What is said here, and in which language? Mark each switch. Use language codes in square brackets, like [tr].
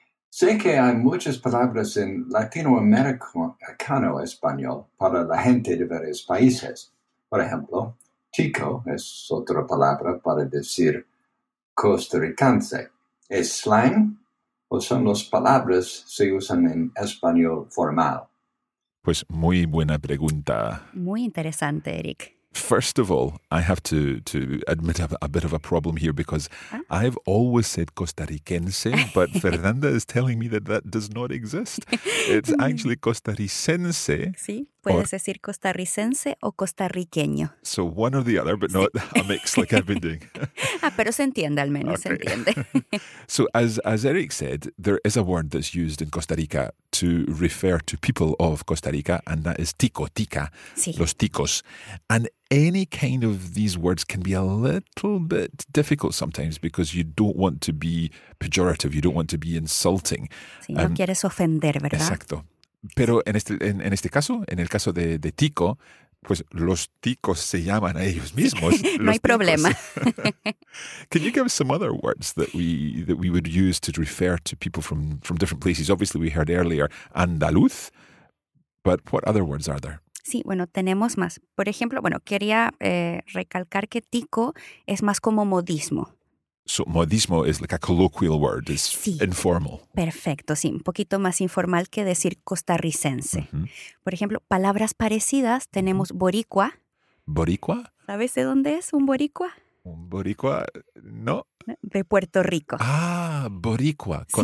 [es] Sé que hay muchas palabras en latinoamericano español para la gente de varios países. Por ejemplo, tico es otra palabra para decir costarricense. ¿Es slang o son las palabras que se usan en español formal? Pues muy buena pregunta. Muy interesante, Eric. [en] First of all, I have to admit a bit of a problem here because I've always said costarricense, but Fernanda is telling me that does not exist. It's actually costarricense. [es] Sí, puedes decir costarricense o costarriqueño. [en] So one or the other, but not a mix like I've been doing. [es] Ah, pero se entiende al menos, okay. Se entiende. [en] So as Eric said, there is a word that's used in Costa Rica to refer to people of Costa Rica, and that is tico, tica, [es] sí. Los ticos. [en] And any kind of these words can be a little bit difficult sometimes because you don't want to be pejorative, you don't want to be insulting. [es] Sí, no quieres ofender, ¿verdad? Exacto. Pero en este caso, en el caso de tico, pues los ticos se llaman a ellos mismos. No hay problema. [en] Can you give some other words that we would use to refer to people from different places? Obviously, we heard earlier andaluz, but what other words are there? [es] Sí, bueno, tenemos más. Por ejemplo, bueno, quería recalcar que tico es más como modismo. [en] So modismo is like a colloquial word, it's [es] sí. [en] Informal. [es] Perfecto, sí, un poquito más informal que decir costarricense. Mm-hmm. Por ejemplo, palabras parecidas, tenemos boricua. ¿Boricua? ¿Sabes de dónde es un boricua? ¿Un boricua? No. De Puerto Rico. Ah, boricua. ¿Con,